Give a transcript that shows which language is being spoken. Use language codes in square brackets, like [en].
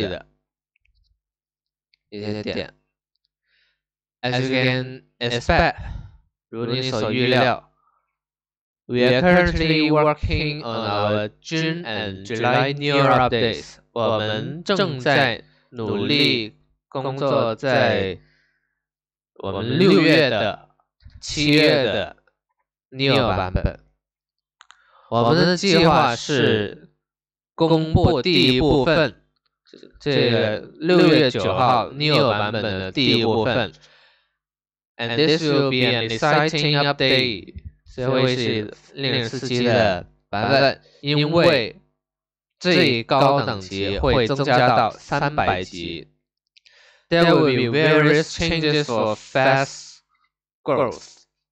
[zh] 我想向你提供一些信息，就关于我们将在这一次夏季版本会努力的一些点。 [en] As you can expect, [zh] 如你所预料, [en] we are currently working on our June and July new updates. [zh] 我们正在努力工作在我们6月的、7月的 new 版本。我们的计划是公布第一部分，这个6月9号 new 版本的第一部分。 [en] And this will be an exciting update. [zh] 这会是令人刺激的版本，因为最高等级会增加到300级. [en] There will be various changes for fast growth.